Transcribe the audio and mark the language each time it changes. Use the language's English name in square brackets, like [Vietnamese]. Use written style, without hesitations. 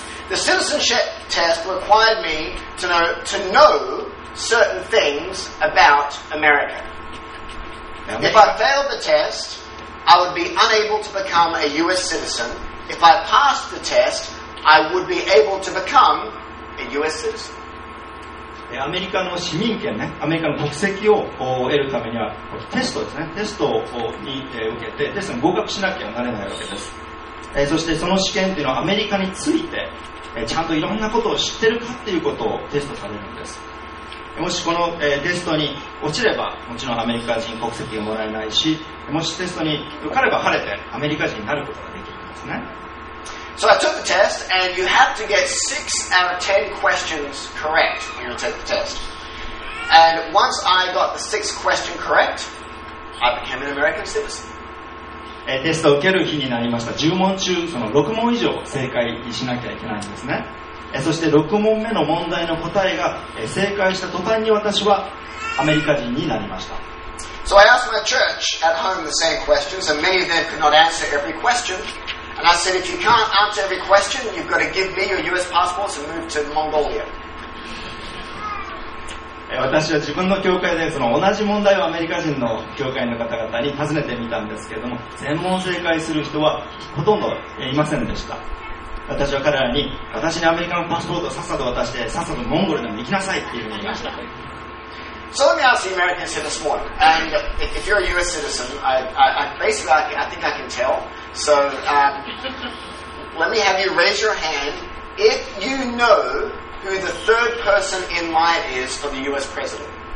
[English] The citizenship test required me to know certain things about America. If I failed the test, I would be unable to become a U.S. citizen. If I passed the test, I would be able to become a U.S. citizen. [Japanese] アメリカの市民権ね、アメリカの国籍を得るためにはテストですね、テストをに受けてテストに合格しなきゃなれないわけです。そしてその試験っていうのはアメリカについてちゃんといろんなことを知ってるかっていうことをテストされるんです。もしこのテストに落ちればもちろんアメリカ人国籍がもらえないし、もしテストに受かれば晴れてアメリカ人になることができるんですね。 [English] So I took the test, and you have to get 6 out of 10 questions correct when you take the test. And once I got the 6th question correct, I became an American citizen. [Japanese] テストを受ける日になりました。10問中その6問以上正解しなきゃいけないんですね。そして6問目の問題の答えが正解した途端に私はアメリカ人になりました。 [English] So I asked my church at home the same questions, and many of them could not answer every question. And I said, if you can't answer every question, you've got to give me your U.S. passports and move to Mongolia. [Japanese] 私は自分の教会でその同じ問題をアメリカ人の教会の方々に尋ねてみたんですけれども、全問正解する人はほとんどいませんでした。私は彼らに、私にアメリカのパスポートをさっさと渡して、さっさとモンゴルでも行きなさいっていうふうに言いました。 [English] So let me ask the Americans here this morning. And if you're a U.S. citizen, I think I can tell. So let me have you raise your hand if you know who the third person in line is for the U.S. president.